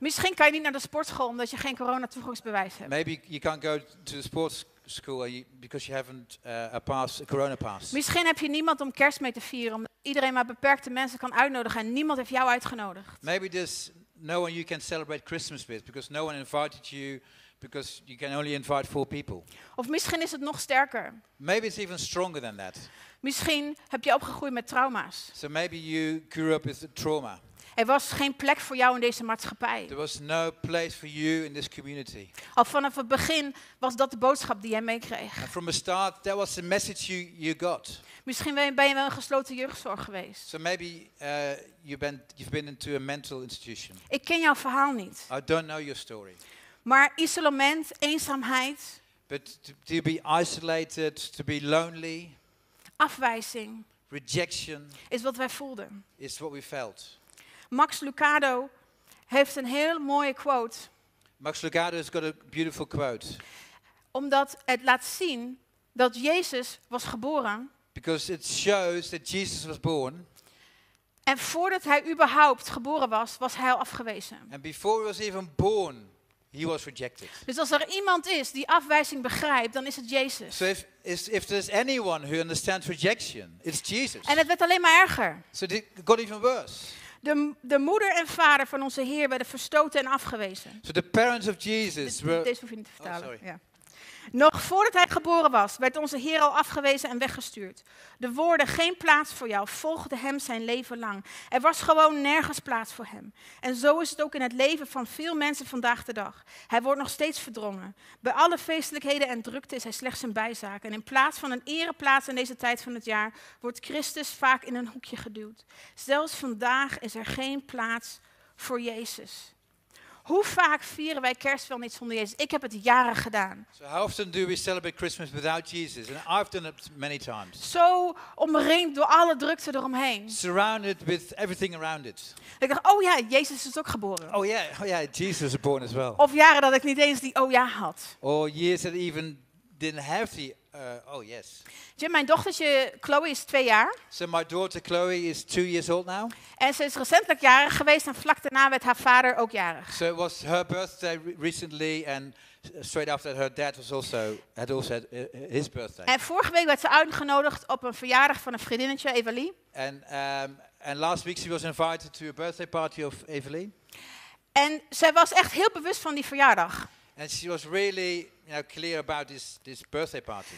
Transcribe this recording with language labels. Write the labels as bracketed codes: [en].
[nl] Misschien kan je niet naar de sportschool omdat je geen corona toegangsbewijs hebt. [en] Maybe you can't go to the sports school because you haven't a corona pass. [nl] Misschien heb je niemand om kerst mee te vieren omdat iedereen maar beperkte mensen kan uitnodigen en niemand heeft jou uitgenodigd. [en] Maybe there's no one you can celebrate Christmas with because no one invited you. Because you can only invite four people. [nl] Of misschien is het nog sterker. [en] Maybe it's even stronger than that. [nl] Misschien heb je opgegroeid met trauma's. [en] So maybe you grew up with a trauma. [nl] Er was geen plek voor jou in deze maatschappij. [en] There was no place for you in this community. [nl] Al vanaf het begin was dat de boodschap die jij meekreeg. [en] And from the start, that was the message you got. [nl] Misschien ben je wel een gesloten jeugdzorg geweest. [en] So maybe you've been into a mental institution. [nl] Ik ken jouw verhaal niet. [en] I don't know your story. [nl] Maar isolement, eenzaamheid. [en] But to be isolated, to be lonely. [nl] Afwijzing. [en] Rejection. [nl] Is wat wij voelden. [en] Is what we felt. [nl] Max Lucado heeft een heel mooie quote. [en] Max Lucado has got a beautiful quote. [nl] Omdat het laat zien dat Jezus was geboren. [en] Because it shows that Jesus was born. [nl] En voordat hij überhaupt geboren was, was hij al afgewezen. [en] And before he was even born. He was rejected. [nl] Dus als er iemand is die afwijzing begrijpt, dan is het Jezus. [en] So if there's anyone who understands rejection, it's Jesus. [nl] En het werd alleen maar erger. [en] So it got even worse. [nl] De moeder en vader van onze Heer werden verstoten en afgewezen. [en] So the parents of Jesus were. [nl] Deze hoef je niet te vertalen. Nog voordat hij geboren was, werd onze Heer al afgewezen en weggestuurd. De woorden, geen plaats voor jou, volgden hem zijn leven lang. Er was gewoon nergens plaats voor hem. En zo is het ook in het leven van veel mensen vandaag de dag. Hij wordt nog steeds verdrongen. Bij alle feestelijkheden en drukte is hij slechts een bijzaak. En in plaats van een ereplaats in deze tijd van het jaar, wordt Christus vaak in een hoekje geduwd. Zelfs vandaag is er geen plaats voor Jezus. Hoe vaak vieren wij kerst wel niet zonder Jezus? Ik heb het jaren gedaan. [en] So how often do we celebrate Christmas without Jesus? And I've done it many times. [nl] Zo omringd door alle drukte eromheen. [en] Surrounded with everything around it. [nl] Ik dacht, oh ja, Jezus is ook geboren. Oh ja, [en] yeah, [nl] oh ja, [en] yeah, Jesus is born as well. [nl] Of jaren dat ik niet eens die oh ja had. [en] Or years that even didn't have the oh yes. [nl] Jim, mijn dochtertje Chloe is 2 jaar. [en] So my daughter Chloe is 2 years old now. [nl] En ze is recentelijk jarig geweest en vlak daarna werd haar vader ook jarig. [en] So it was her birthday recently and straight after her dad was also had also had his birthday. [nl] En vorige week werd ze uitgenodigd op een verjaardag van een vriendinnetje Evelie. [en] And last week she was invited to a birthday party of Evelie. [nl] En zij was echt heel bewust van die verjaardag. [en] And she was really clear about this birthday party.